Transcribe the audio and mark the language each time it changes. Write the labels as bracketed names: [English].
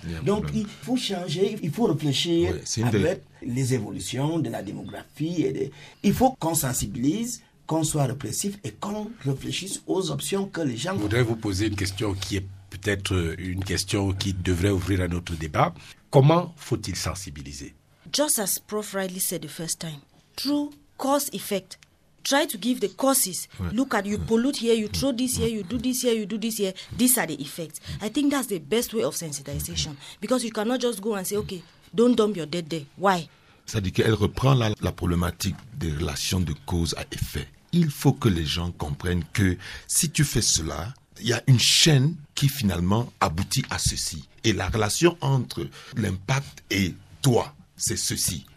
[French] Donc, il faut changer, il faut réfléchir avec les évolutions de la démographie. Il faut qu'on sensibilise, qu'on soit répressif et qu'on réfléchisse aux options que les gens... Je voudrais vous poser une question qui est peut-être une question qui devrait ouvrir un autre débat. Comment faut-il sensibiliser? [English] Just as Prof. Riley said the first time, through cause-effect, try to give the causes. Look at you pollute here, you throw this here, you do this here, you do this here. These are the effects. I think that's the best way of sensitization because you cannot just go and say, okay, don't dump your dead there. Why? [French] C'est-à-dire qu'elle reprend la problématique des relations de cause à effet. Il faut que les gens comprennent que si tu fais cela, il y a une chaîne qui finalement aboutit à ceci. Et la relation entre l'impact et toi, c'est ceci.